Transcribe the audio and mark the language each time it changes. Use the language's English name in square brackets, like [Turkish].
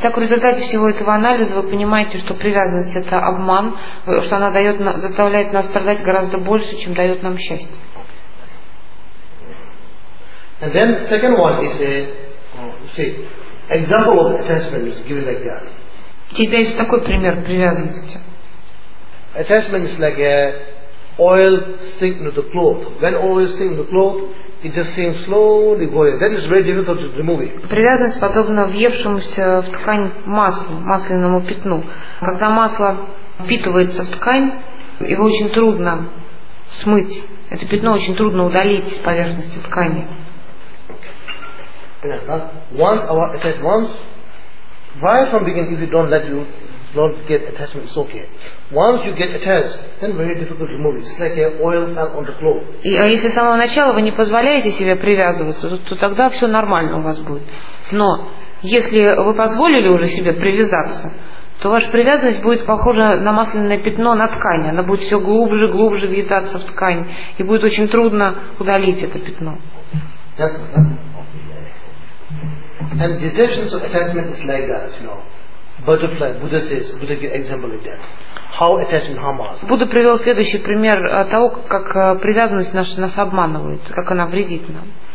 [Russian] Так в результате всего этого анализа вы понимаете, что привязанность — это обман, что она дает, заставляет нас страдать гораздо больше, чем дает нам счастье. [English] And then second one is a, example of attachment is given like that. [Russian] Здесь дается такой пример привязанности. [English] Attachment is like a oil sink to the cloth. When oil sink to the cloth, it just sinks slowly going. That is very difficult to remove. [Russian] Привязанность подобна въевшемуся в ткань маслу, масляному пятну. Когда масло впитывается в ткань, его очень трудно смыть. Это пятно очень трудно удалить с поверхности ткани. [English] Once our attachment, once, right from beginning, if you don't let you not get attachment, it's okay. Once you get attached, then very difficult to move. It's like oil fell on the floor. [Russian] И если с самого начала вы не позволяете себе привязываться, то тогда все нормально у вас будет. Но если вы позволили уже себе привязаться, то ваша привязанность будет похожа на масляное пятно на ткани. Она будет все глубже и глубже въедаться в ткань. И будет очень трудно удалить это пятно. [English] And deceptions of attachment is like that, you know. Butterfly, Buddha says, Buddha gave example like that. How attachment harms. [Russian] Будда привел следующий пример того, как привязанность наша нас обманывает, как она вредит нам.